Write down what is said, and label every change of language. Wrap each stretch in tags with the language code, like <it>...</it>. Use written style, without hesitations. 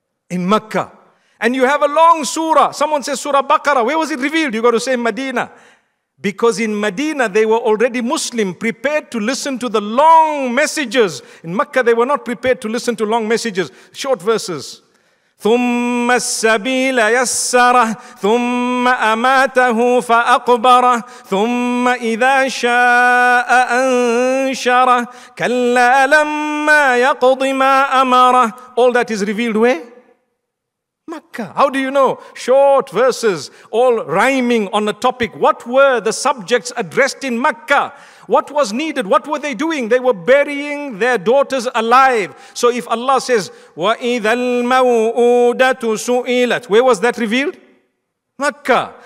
<en>In Makkah. And you have a long surah. Someone says Surah Baqarah. Where was it revealed? You got to say Medina. Because in Medina, they were already Muslim, prepared to listen to the long messages. In Makkah, they were not prepared to listen to long messages, short verses.</en> <ar>ثم السبيل يسره ثم أماته فأقبره ثم إذا شاء أنشره كلا لما يقض ما أمره.</ar> <en>All that is revealed where? Makkah. How do you know? Short verses, all rhyming on a topic. What were the subjects addressed in Makkah? What was needed? What were they doing? They were burying their daughters alive. So if Allah says,</en> <ar>وَإِذَا الْمَوْءُودَةُ سُئِلَتْ,</ar> <en>where was that revealed? Makkah.</en>